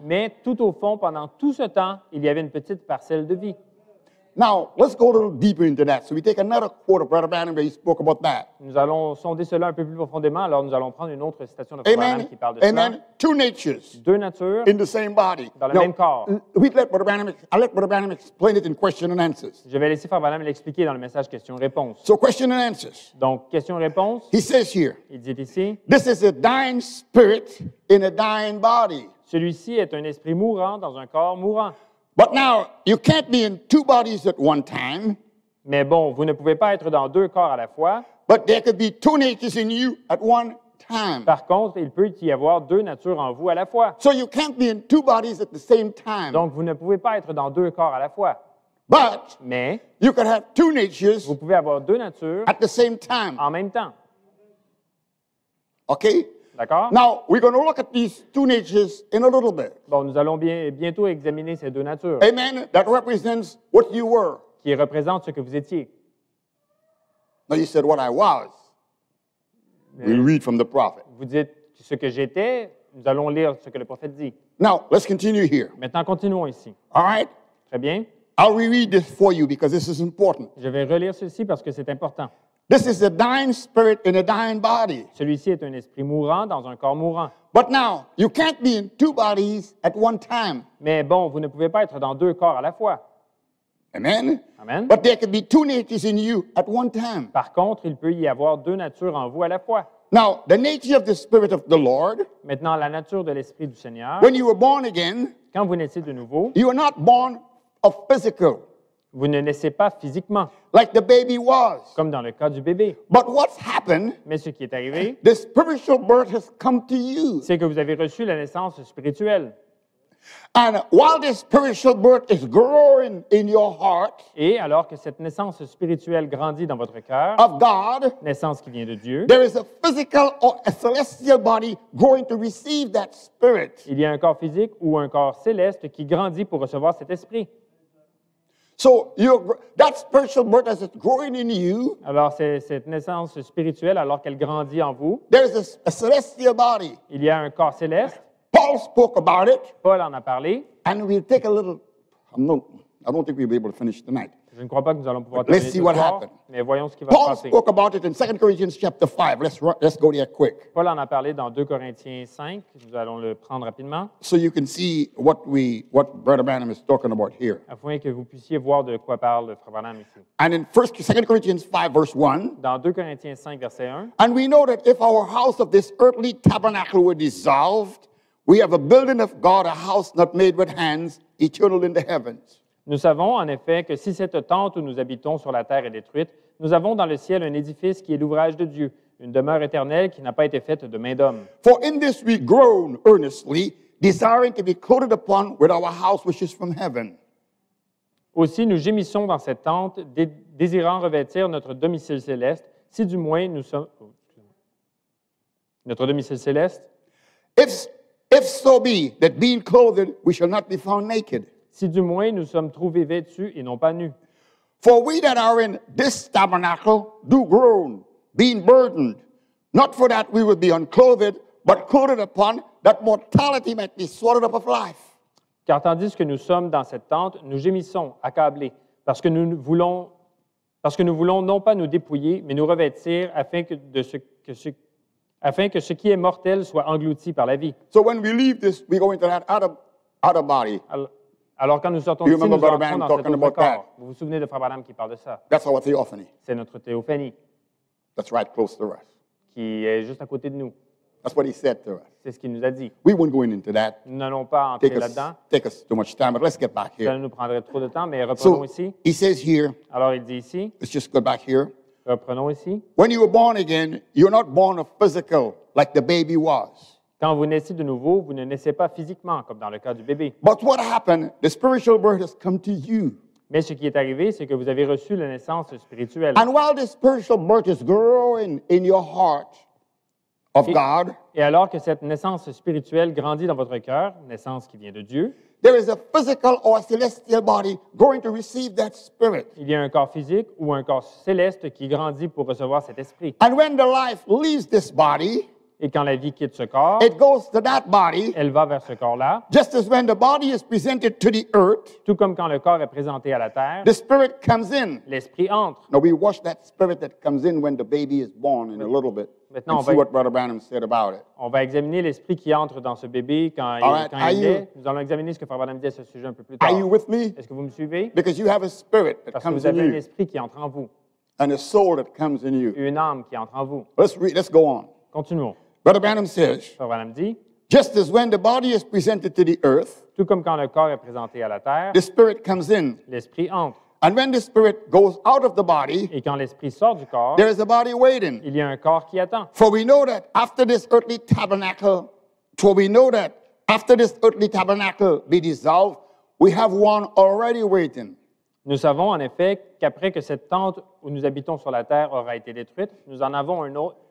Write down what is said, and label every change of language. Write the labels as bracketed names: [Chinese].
[French] Mais tout au fond, pendant tout ce temps, il y avait une petite parcelle de vie. [English] Now, let's go a little deeper into that. So we take another quote of Brother Branham where he spoke about that. [French] Nous allons sonder cela un peu plus profondément, alors nous allons prendre une autre citation de Brother Branham qui parle de cela. [English] Amen. Two natures. [French] Deux natures. [English] In the same body. [French] Dans le même corps. [English] I'll let Brother Branham explain it in question and answers. [French] Je vais laisser Frère Branham l'expliquer dans le message question-réponse. [English] So question and answers. [French] Donc, question-réponse. [English] He says here. [French] Il dit ici. [English] This is a dying spirit in a dying body. [French] Celui-ci est un esprit mourant dans un corps mourant. [English] But now, you can't be in two bodies at one time. [French] Mais bon, vous ne pouvez pas être dans deux corps à la fois. [English] But there could be two natures in you at one time. [French] Par contre, il peut y avoir deux natures en vous à la fois. [English] So you can't be in two bodies at the same time. [French] Donc, vous ne pouvez pas être dans deux corps à la fois. [English] But [French] mais [English] you could have two natures [French] vous pouvez avoir deux natures [English] at the same time. [French] En même temps. [English] Okay? [French] D'accord? [English] Now, we're going to look at these two natures in a little bit. [French] Bon, nous allons bientôt examiner ces deux natures. [English] Amen. That represents what you were. [French] Qui représente ce que vous étiez. [English] Now, you said what I was. We read from the prophet. [French] Vous dites ce que j'étais. Nous allons lire ce que le prophète dit. [English] Now, let's continue here. [French] Maintenant, continuons ici. [English] All right? [French] Très bien. [English] I'll reread this for you because this is important. [French] Je vais relire ceci parce que c'est important. [English] This is a dying spirit in a dying body. [French] Celui-ci est un esprit mourant dans un corps mourant. [English] But now, you can't be in two bodies at one time. [French] Mais bon, vous ne pouvez pas être dans deux corps à la fois. [English] Amen. [French] Amen. [English] But there could be two natures in you at one time. [French] Par contre, il peut y avoir deux natures en vous à la fois. [English] Now, the nature of the spirit of the Lord. [French] Maintenant, la nature de l'esprit du Seigneur. [English] When you were born again. [French] Quand vous naissez de nouveau. [English] You are not born of physical. [French] Vous ne naissez pas physiquement. [English] Like the baby was. [French] Comme dans le cas du bébé. [English] But what's happened, [French] mais ce qui est arrivé, [English] the spiritual birth has come to you. [French] C'est que vous avez reçu la naissance spirituelle. [English] And while this spiritual birth is growing in your heart, [French] et alors que cette naissance spirituelle grandit dans votre cœur, [English] of God, [French] naissance qui vient de Dieu, [English] there is a physical or a celestial body growing to receive that spirit. [French] Il y a un corps physique ou un corps céleste qui grandit pour recevoir cet esprit. [English] So that spiritual birth as it's growing in you. [French] Alors c'est cette naissance spirituelle alors qu'elle grandit en vous. [English] There is a celestial body. [French] Il y a un corps céleste. [English] Paul spoke about it. [French] Paul en a parlé. [English] And we'll take a little. I don't think we'll be able to finish tonight. [French] Je ne crois pas que nous allons pouvoir terminer. [English] Let's see what happened. [French] Mais voyons ce qui va [English] Paul [French] passer. [English] Paul spoke about it in 2 Corinthians chapter 5. Let's go there quick. [French] Paul en a parlé dans 2 Corinthiens 5. Nous allons le prendre rapidement. [English] So you can see what Brother Branham is talking about here. [French] Afin que vous puissiez voir de quoi parle Frère Branham ici. [English] And in 2 Corinthians 5 verse 1. [French] Dans 2 Corinthiens 5 verset 1. [English] And we know that if our house of this earthly tabernacle were dissolved, we have a building of God, a house not made with hands, eternal in the heavens. [French] Nous savons, en effet, que si cette tente où nous habitons sur la terre est détruite, nous avons dans le ciel un édifice qui est l'ouvrage de Dieu, une demeure éternelle qui n'a pas été faite de main d'homme. [English] For in this we groan earnestly, desiring to be clothed upon with our house which is from heaven. [French] Aussi, nous gémissons dans cette tente, désirant revêtir notre domicile céleste, si du moins nous sommes... Notre domicile céleste. [English] If so be that being clothed we shall not be found naked. [French] Si du moins nous sommes trouvés vêtus et non pas nus. [English] For we that are in this tabernacle do groan, being burdened, not for that we would be unclothed, but clothed upon, that mortality might be swallowed up of life. [French] Car tandis que nous sommes dans cette tente, nous gémissons, accablés, parce que nous voulons non pas nous dépouiller, mais nous revêtir, afin que ce qui est mortel soit englouti par la vie. [English] So when we leave this, we go into that outer body. [French] Alors quand nous sortons ici, nous entrons dans cet autre corps. Vous vous souvenez de Frère Branham qui parle de ça? [English] That's our theophany. [French] C'est notre théophanie. [English] That's right close to us. [French] Qui est juste à côté de nous. [English] That's what he said to us. [French] C'est ce qu'il nous a dit. [English] We won't go into that. [French] Nous n'allons pas entrer là-dedans. [English] Take us too much time, but let's get back here. [French] Ça nous prendrait trop de temps, mais reprenons ici. [English] He says here. [French] Alors il dit ici. [English] Let's just go back here. [French] Reprenons ici. [English] When you were born again, you're not born of physical like the baby was. [French] Quand vous naissez de nouveau, vous ne naissez pas physiquement, comme dans le cas du bébé. [English] But what happened? The spiritual birth has come to you. [French] Mais ce qui est arrivé, c'est que vous avez reçu la naissance spirituelle. [English] And while the spiritual birth is growing in your heart of God, [French] et alors que cette naissance spirituelle grandit dans votre cœur, naissance qui vient de Dieu, [English] there is a physical or celestial body going to receive that spirit. [French] Il y a un corps physique ou un corps céleste qui grandit pour recevoir cet esprit. [English] And when the life leaves this body, [French] et quand la vie quitte ce corps, [English] it goes to that body, [French] elle va vers ce corps-là. [English] Just as when the body is presented to the earth, [French] tout comme quand le corps est présenté à la terre, [English] the spirit comes in. [French] L'esprit entre. [English] Now we watch that spirit that comes in when the baby is born in a little bit. [French] Maintenant, [English] see what Brother Branham said about it. [French] On va examiner l'esprit qui entre dans ce bébé quand il est. Nous allons examiner ce que Frère Branham dit à ce sujet un peu plus tard. [English] Are you with me? [French] Est-ce que vous me suivez? [English] Because you have a spirit that [French] Parce [English] comes [French] que vous avez [English] in [French] un esprit qui entre en vous. [English] And a soul that comes in you. [French] Une âme qui entre en vous. [English] Let's go on. [French] Continuons. [English] Brother Branham says, just as when the body is presented to the earth, [French] tout comme quand le corps est présenté à la terre, [English] the spirit comes in. [French] L'esprit entre. [English] And when the spirit goes out of the body, [French] et quand l'esprit sort du corps, [English] there is a body waiting. [French] Il y a un corps qui attend. [English] For we know that after this earthly tabernacle, be dissolved, we have one already waiting. [French] Nous savons en effet qu'après que cette tente où nous habitons sur la terre aura été détruite, nous en avons un autre.